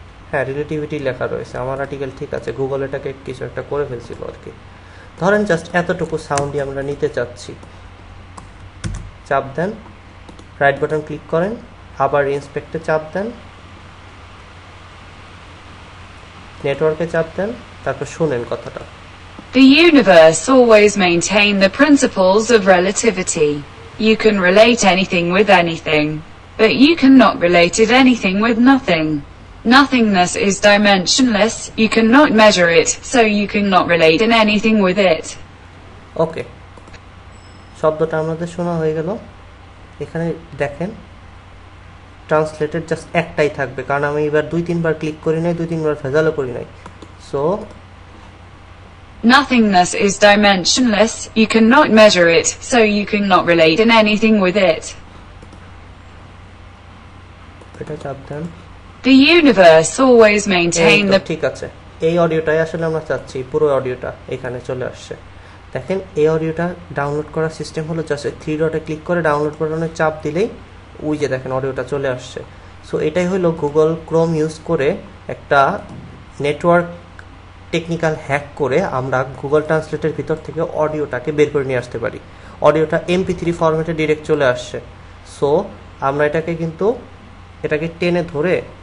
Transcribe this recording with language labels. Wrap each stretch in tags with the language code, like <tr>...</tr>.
<bn>হ্যাঁ, রিলেটিভিটি লেখা রয়েছে আমার আর্টিকেল, ঠিক আছে, গুগল এটাকে কিছু একটা করে ফেলছিল আর কি। ধরেন জাস্ট এতটুকু সাউন্ডই আমরা নিতে চাচ্ছি, চাপ দেন, রাইট বাটন ক্লিক করেন, আবার ইন্সপেক্টে চাপ দেন, নেটওয়ার্কে চাপ দেন, তারপর শুনেন কথাটা।</bn> <en>The universe always maintain the principles of relativity. You can relate anything with anything, but you cannot relate it anything with nothing. Nothingness is dimensionless, you cannot measure it, so you cannot relate in anything with it. Okay.</en> <bn>শব্দটা আমাদের শোনা হয়ে গেল। এখানে দেখেন translated just একটাই থাকবে, কারণ আমি এবার দুই তিনবার ক্লিক করি নাই, দুই তিনবার ফেজালও করি নাই। So</bn> <en>Nothingness is dimensionless, you cannot measure it, so you cannot relate in anything with it.</en> <bn>সেটা চাপ দেন</bn> <en>the universe always maintain the</en> <bn>ঠিক আছে এই অডিওটাই আসলে আমরা চাচ্ছি পুরো অডিওটা এখানে চলে আসছে দেখেন এই অডিওটা ডাউনলোড করার সিস্টেম হলো জাস্ট থ্রি ডটে ক্লিক করে ডাউনলোড বাটনে চাপ দিলেই উই যে দেখেন অডিওটা চলে আসছে সো এটাই হলো গুগল ক্রোম ইউজ করে একটা নেটওয়ার্ক টেকনিক্যাল হ্যাক করে আমরা গুগল ট্রান্সলেটের ভিতর থেকে অডিওটাকে বের করে নিয়ে আসতে পারি অডিওটা এমপি থ্রি ফরম্যাটে ডিরেক্ট চলে আসছে সো আমরা এটাকে কিন্তু এটাকে টেনে ধরে</bn>